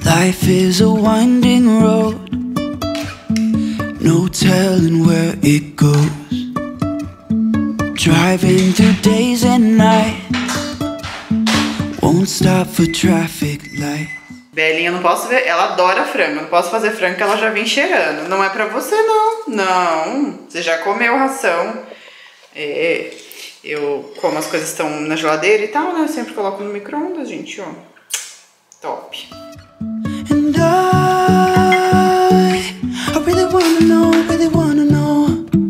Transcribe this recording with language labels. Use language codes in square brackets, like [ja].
[en] Life is a winding road, no telling where it goes. Driving through days and nights, won't stop for traffic lights. [pt] Belinha, não posso ver. Ela adora frango. Não posso fazer frango que ela já vem cheirando. Não é pra você, não. Não. Você já comeu ração. É, eu como as coisas estão na geladeira e tal, né? Eu sempre coloco no micro-ondas, gente, ó. Top. [en] And I really wanna know, really wanna know.